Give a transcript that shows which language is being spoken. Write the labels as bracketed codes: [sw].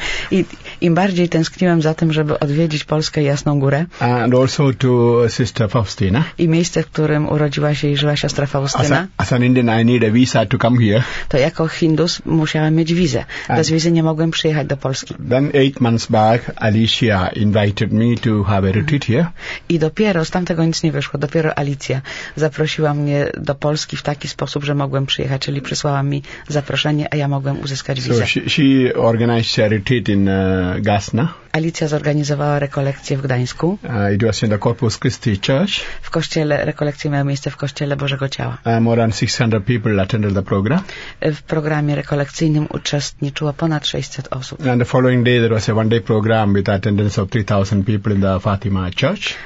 [pl] I im bardziej tęskniłem za tym, żeby odwiedzić Polskę i Jasną Górę. [en] And also to sister Faustina. [pl] I miejsce, w którym urodziła się i żyła siostra Faustyna. [en] As an Indian, I need a visa to come here. [pl] To jako Hindus musiałem mieć wizę. Bez wizy nie mogłem przyjechać do Polski. [en] Then 8 months back, Alicia invited me to have a retreat here. [pl] I dopiero, z tamtego nic nie wyszło, dopiero Alicja zaprosiła mnie do Polski w taki sposób, że mogłem przyjechać, czyli przysłała mi zaproszenie, a ja mogłem uzyskać wizę. [en] So she organized a retreat in Gasna. [pl] Alicja zorganizowała rekolekcje w Gdańsku. [en] It was in the Corpus Christi Church. [pl] W kościele, rekolekcje miały miejsce w kościele Bożego Ciała. [en] More than 600 people attended the program. [pl] W programie rekolekcyjnym uczestniczyło ponad 600 osób. [en] And the following day there was a one-day program with attendance of 3,000 people in the Fatima Church.